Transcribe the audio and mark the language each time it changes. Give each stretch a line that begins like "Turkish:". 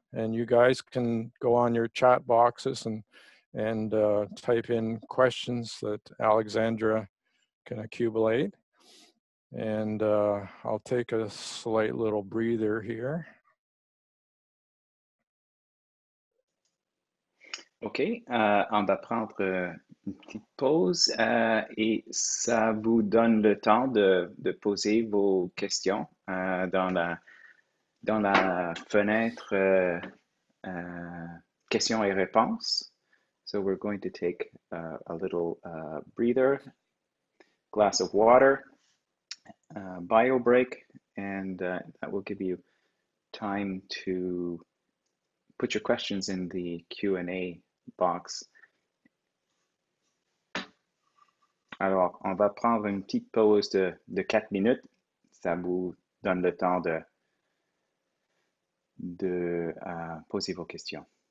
English: and you guys can go on your chat boxes and type in questions that Alexandra can accumulate. And I'll take a slight little breather here.
French: OK, on va prendre une petite pause et ça vous donne le temps de poser vos questions dans la fenêtre questions et réponses.
English: So we're going to take a little breather, glass of water, bio break, and that will give you time to put your questions in the Q&A box.
French: Alors, on va prendre une petite pause de 4 minutes. Ça vous donne le temps de poser vos questions.